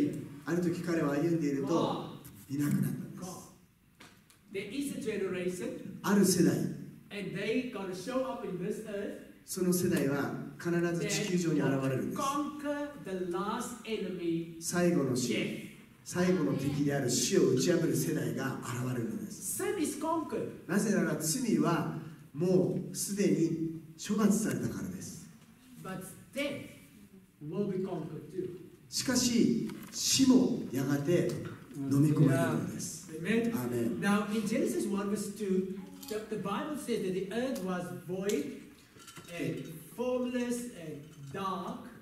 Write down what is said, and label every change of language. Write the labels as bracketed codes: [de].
[ja] 彼らの体において生きている時に死を体験しないで天に上げられる世代が来ようとしているのです。アメン。アメン。エノクは天に上げられました。ある日彼はいなくなった。神が彼を取られた。ある時彼は歩んでいると、いなくなった。 [en] There is a generation. [ja] ある世代. [en] And they gonna show up in this earth. [ja] その世代は必ず地球上に現れるんです。 [en] Conquer the last enemy. [ja] 最後の敵である死を打ち破る世代が現れるんです。 [en] Sin is conquered. [ja] なぜなら罪はもうすでに処罰されたからです。 [en] But death will be conquered too. [ja] しかし死もやがて 飲み込まれるのです。 [en] Amen. Now in Genesis 1 verse 2, the Bible says that the earth was void and formless and dark.